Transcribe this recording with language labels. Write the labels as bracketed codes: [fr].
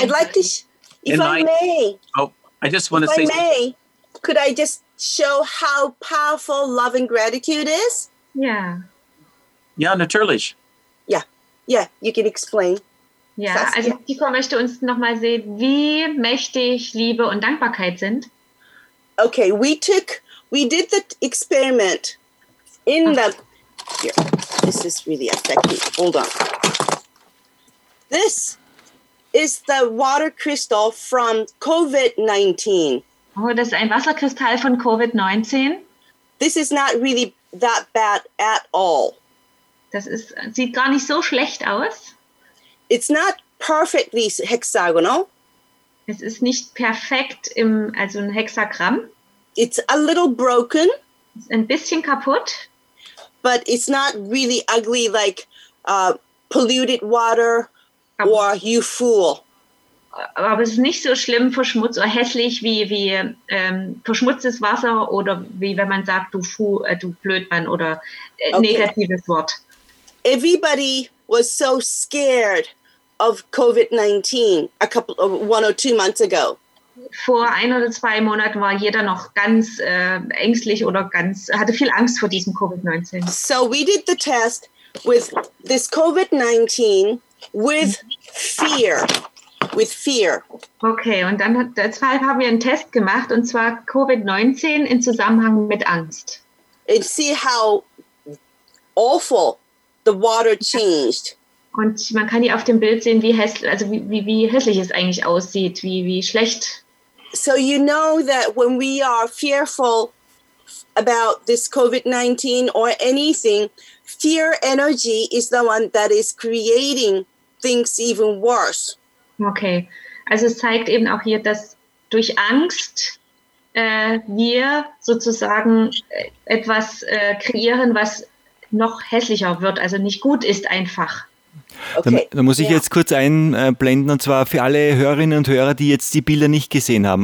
[en] I'd like to, could I just show how powerful love and gratitude is? Yeah. [de] Ja, natürlich. [en] Yeah, you can explain. [de] Ja, also Michiko möchte uns nochmal sehen, wie mächtig Liebe und Dankbarkeit sind. [en] Okay, We did the experiment this is really affecting. Hold on. This is the water crystal from COVID-19. [de] Oh, das ist ein Wasserkristall von COVID-19. [en] This is not really that bad at all. [de] Sieht gar nicht so schlecht aus. [en] It's not perfectly hexagonal. [de] Es ist nicht perfekt also ein Hexagramm. [en] It's a little broken. [de] It's ein bisschen kaputt. [en] But it's not really ugly like polluted water or you fool. [de] Aber es ist nicht so schlimm verschmutzt oder hässlich wie verschmutztes Wasser oder wie wenn man sagt du Blödmann oder negatives Wort. [en] Everybody was so scared of COVID-19 one or two months ago. [de] Vor ein oder zwei Monaten war jeder noch ganz ängstlich oder ganz hatte viel Angst vor diesem COVID-19. [en] So we did the test with this COVID-19 with fear. With fear. [de] Okay, und dann haben wir einen Test gemacht und zwar COVID-19 in Zusammenhang mit Angst. [en] And see how awful the water changed. [de] Und man kann hier auf dem Bild sehen, wie hässlich es eigentlich aussieht, wie schlecht. [en] So you know that when we are fearful about this COVID-19 or anything, fear energy is the one that is creating things even worse. [de] Okay, also es zeigt eben auch hier, dass durch Angst wir sozusagen etwas kreieren, was noch hässlicher wird, also nicht gut ist einfach. [en] Okay. [de] Da muss ich jetzt kurz einblenden, und zwar für alle Hörerinnen und Hörer, die jetzt die Bilder nicht gesehen haben.